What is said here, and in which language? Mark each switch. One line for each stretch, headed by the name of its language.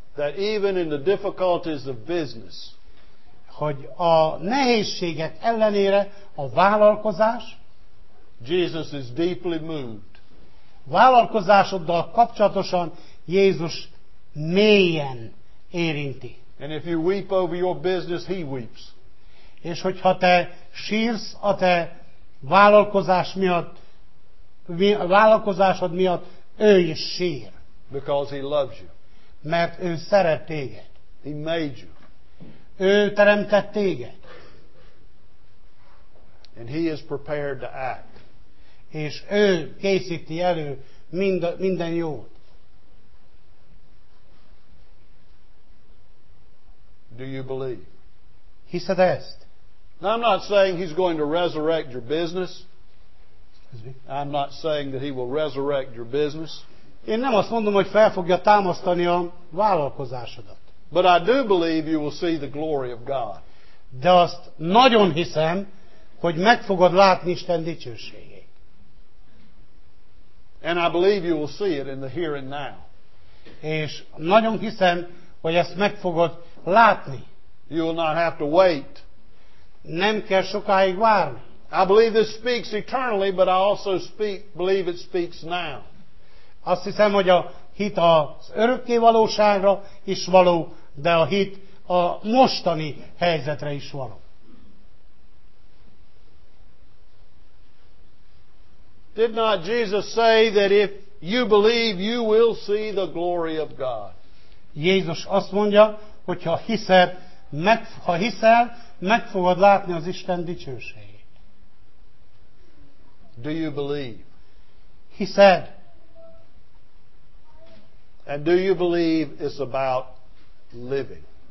English: That even in the difficulties of business,
Hungarian: hogy a nehézségek ellenére a vállalkozás,
English: Jesus is deeply moved.
Hungarian: Vállalkozásoddal kapcsolatosan Jézus mélyen érinti.
English: And if you weep over your business, he weeps.
Hungarian: És hogyha te sírsz a te vállalkozás miatt, vállalkozásod miatt, ő is sír.
English: Because he loves you.
Hungarian: Mert ő szeret téged.
English: He made you.
Hungarian: Ő teremtett téged.
English: And he is prepared to act.
Hungarian: És ő készíti elő minden jót.
English: Do you believe?
Hungarian: Hiszed ezt?
English: Now, I'm not saying he's going to resurrect your business. I'm not saying that he will resurrect your business.
Hungarian: Én nem azt mondom, hogy fel fogja támasztani a vállalkozásodat.
English: But I do believe you will see the glory of God.
Hungarian: De azt nagyon hiszem, hogy meg fogod látni Isten dicsőségét.
English: And I believe you will see it in the here and now.
Hungarian: És nagyon hiszem, hogy ezt meg fogod látni.
English: You will not have to wait.
Hungarian: Nem kell sokáig várni.
English: I believe this speaks eternally, but I also believe it speaks now.
Hungarian: Azt hiszem, hogy a hit az örökké valóságra is való, de a hit a mostani helyzetre is való.
English: Did not Jesus say that if you believe, you will see the glory of God?
Hungarian: Jézus azt mondja, hogy ha hiszel, meg fogod látni az Isten dicsőségét.
English: Do you believe?
Hungarian: Hiszed?
English: And do you believe it's about living?